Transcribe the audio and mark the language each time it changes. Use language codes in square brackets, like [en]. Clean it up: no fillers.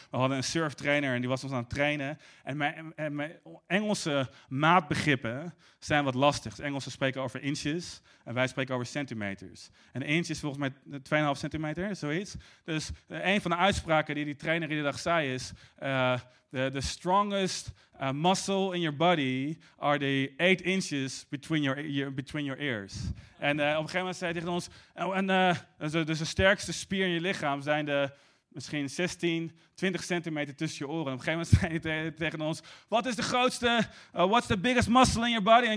[nl] We hadden een surftrainer en die was ons aan het trainen. En mijn Engelse maatbegrippen zijn wat lastig. Engelsen spreken over inches en wij spreken over centimeters. En een inch is volgens mij 2,5 centimeter, zoiets. Dus een van de uitspraken die trainer iedere dag zei is... [en] The strongest muscle in your body are the 8 inches between your ears. [nl] En op een gegeven moment zei hij tegen ons, dus de sterkste spier in je lichaam zijn de misschien 16, 20 centimeter tussen je oren. En op een gegeven moment zei hij tegen ons, wat is de grootste, [en] what's the biggest muscle in your body?